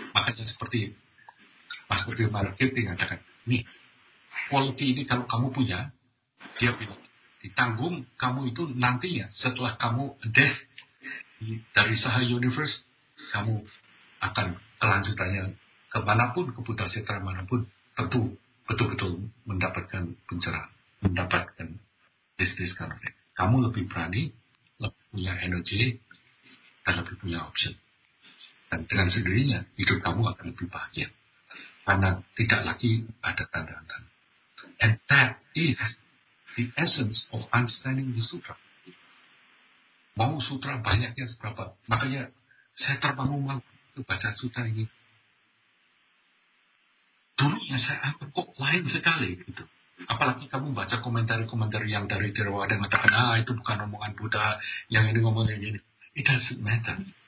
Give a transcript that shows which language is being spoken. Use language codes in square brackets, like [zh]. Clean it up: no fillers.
[id] Makanya seperti Mas Berti Marketing katakan, nih, quality ini kalau kamu punya, dia bilang, ditanggung kamu itu nantinya setelah kamu death dari Saha Universe, kamu akan kelanjutannya kemanapun, ke Buddha Setra manapun, tentu betul-betul mendapatkan pencerahan, mendapatkan [en] this kind of thing. [id] Kamu lebih berani, lebih punya energy, dan lebih punya option. Dan dengan sendirinya, hidup kamu akan lebih bahagia. Karena tidak lagi ada tanda-tanda. [en] And that is the essence of understanding the sutra. [id] Mau sutra banyaknya seberapa. Makanya saya terbangun-bangun baca sutra ini. Dulunya saya anggap kok lain sekali. Gitu. Apalagi kamu baca komentar-komentar yang dari Theravada yang mengatakan, ah itu bukan omongan Buddha, yang ini ngomongnya gini. [en] It doesn't matter.